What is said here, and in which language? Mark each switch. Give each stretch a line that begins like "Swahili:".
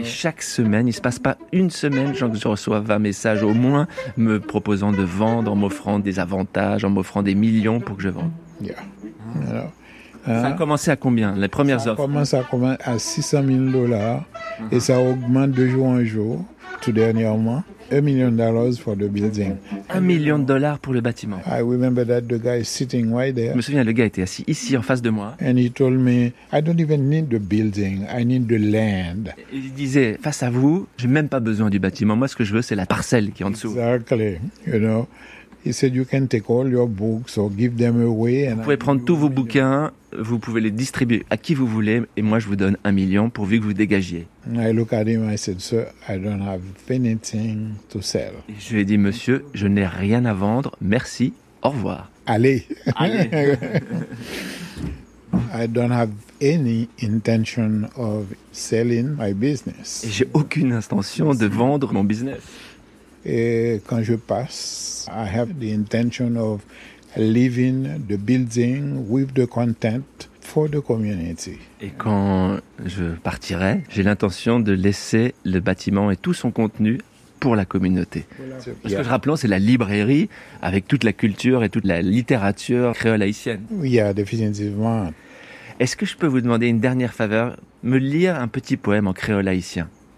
French: Et chaque semaine, il se passe pas une semaine sans que je reçoive 20 messages au moins me proposant de vendre, en m'offrant des avantages, en m'offrant des millions pour que je vende.
English: Yeah.
French: Alors, ça a commencé à combien, les premières offres? Ça commence à combien? À 600 000 dollars. Uh-huh. Et ça augmente de jour en jour, tout dernièrement.
English: $1 million for the building.
French: $1 million pour le bâtiment.
English: I remember that the guy sitting right there.
French: Je me souviens, le gars était assis ici, en face de moi.
English: And he told me, I don't even need the building, I need the land.
French: Il disait, face à vous, j'ai même pas besoin du bâtiment. Moi, ce que je veux, c'est la parcelle qui est en dessous.
English: Exactly, you know. He said you can take all your books or give them away.
French: Vous pouvez prendre tous vos bouquins, vous pouvez les distribuer à qui vous voulez, et moi je vous donne 1 million pourvu que vous dégagiez.
English: I look at him, I said, sir, I don't have anything to sell.
French: Et je lui ai dit, monsieur, je n'ai rien à vendre. Merci. Au revoir. Allez. Allez.
English: I don't have any intention of selling my business.
French: Et j'ai aucune intention de vendre mon business. Et quand je passe,
English: I have the intention of leaving the building with the content for the community.
French: Et quand je partirai, j'ai l'intention de laisser le bâtiment et tout son contenu pour la communauté. Voilà. Parce que je rappelle, c'est la librairie avec toute la culture et toute la littérature créole haïtienne. Oui, yeah, définitivement. Est-ce que je peux vous demander une dernière faveur, me lire un petit poème en créole haïtien?